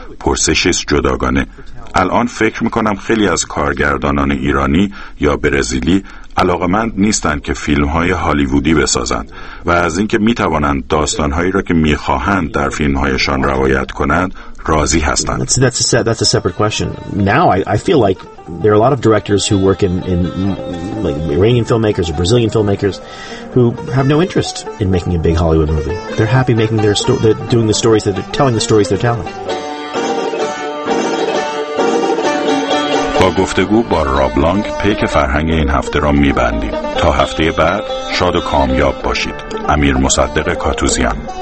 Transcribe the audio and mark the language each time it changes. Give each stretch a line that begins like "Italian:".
Persian: پرسشی است جداگانه. الان فکر میکنم خیلی از کارگردانان ایرانی یا برزیلی علاقمند نیستند که فیلم‌های هالیوودی بسازند و از اینکه میتوانند داستان‌هایی را که میخواهند در فیلم‌هایشان روایت کنند راضی هستند.
English: That's a separate question. Now I feel like there are a lot of directors who work in like Iranian filmmakers or Brazilian filmmakers who have no interest in making a big Hollywood movie. They're happy making their doing the stories that they're telling the stories they're telling.
Persian: با گفتگو با راب لانگ پیک فرهنگ این هفته را می‌بندیم. تا هفته بعد شاد و کامیاب باشید. امیر مصدق کاتوزیان.